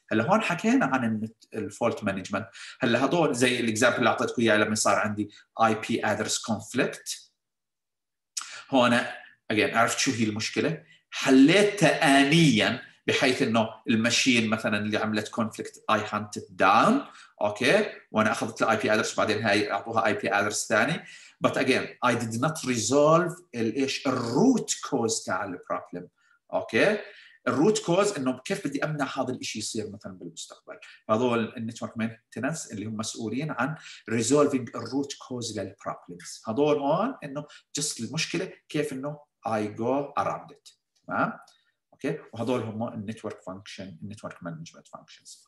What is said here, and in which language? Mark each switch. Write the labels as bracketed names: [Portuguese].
[Arabic] هلا هون حكينا عن الفولت مانجمنت. هلا هذول زي الاكزامبل اللي اعطيتكم اياه لما صار عندي اي بي ادرس كونفليكت. هون اجين عرفت شو هي المشكله, حليتها انيا بحيث انه الماشين مثلا اللي عملت كونفليكت اي هانتد داون. اوكي وانا اخذت الاي بي ادرس بعدين هاي اعطوها اي بي ادرس ثاني. [English] But again, I did not resolve the root cause to the problem. Okay, the root cause [Arabic] إنه كيف بدي أمنع هذا الإشي يصير مثلاً بالمستقبل. [English] هذول network maintenance [Arabic] اللي هم مسؤولين عن [English] resolving the root cause to the problems. [Arabic] هذول هون إنه just المشكلة كيف إنه [English] I go around it. تمام؟ Okay, [Arabic] وهذول هم [English] network function, network management functions.